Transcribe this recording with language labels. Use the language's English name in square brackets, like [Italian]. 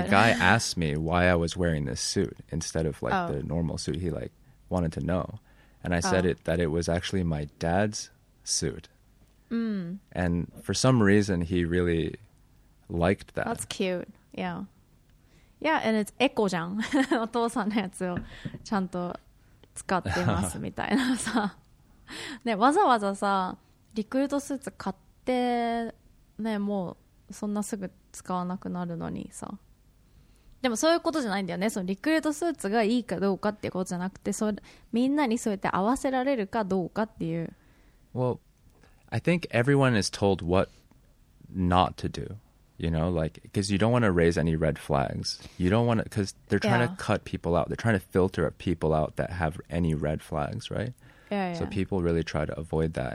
[English] the guy asked me why I was wearing this suit instead of like、oh. the normal suit. He like wanted to know. And I said、oh. it, that it was actually my dad's suit.、 Mm. And for some reason, he really liked that. That's cute. Yeah. Yeah, and it's echo [Japanese] じゃん。お父さんのやつをちゃんと使ってますみたいなさ。ね、わざわざさ、リクルートスーツ買って、ね、もうそんなすぐ使わなくなるのにさ、でもそういうことじゃないんだよね。そのリクルートスーツがいいかどうかっていうことじゃなくて、それみんなにそうやって合わせられるかどうかっていう。 [English] Well, I think everyone is told what not to do. You know, like because you don't want to raise any red flags. You don't want to because they're trying、yeah. to cut people out. They're trying to filter people out that have any red flags, right? Yeah, yeah. So people really try to avoid that.